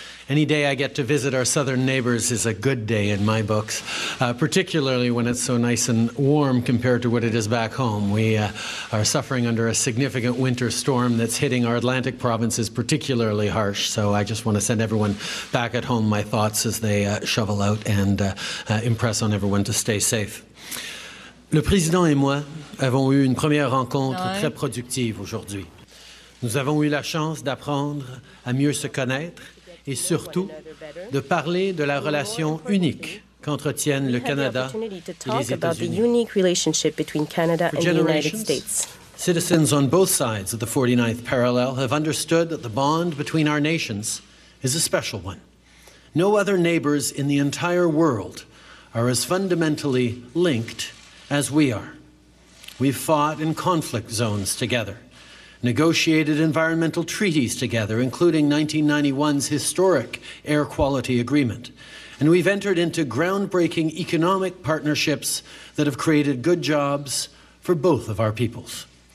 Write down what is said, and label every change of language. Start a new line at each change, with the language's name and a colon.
English: Any day I get to visit our southern neighbors is a good day in my books, particularly when it's so nice and warm compared to what it is back home. We are suffering under a significant winter storm that's hitting our Atlantic provinces particularly harsh, so I just want to send everyone back at home my thoughts as they shovel out and impress on everyone to stay safe.
French: Le président et moi avons eu une première rencontre très productive aujourd'hui. Nous avons eu la chance d'apprendre à mieux se connaître et surtout de parler de la relation unique qu'entretiennent le Canada et les États-Unis.
English: For generations, citizens on both sides of the 49th parallel have understood that the bond between our nations is a special one. No other neighbors in the entire world are as fundamentally linked as we are. We've fought in conflict zones together, negotiated environmental treaties together, including 1991's historic air quality agreement, and we've entered into groundbreaking economic partnerships that have created good jobs for both of our peoples.